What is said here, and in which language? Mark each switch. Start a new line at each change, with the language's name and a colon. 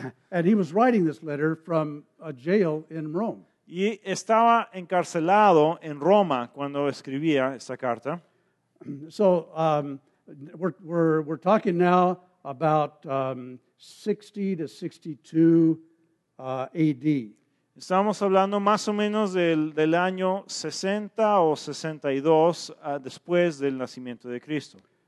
English: And he was writing this letter from a jail in Rome.
Spanish: Y estaba encarcelado en Roma cuando escribía esta carta.
English: So we're talking now about 60 to 62 AD.
Spanish: Estamos hablando más o menos del año 60 o 62 después del nacimiento de Cristo.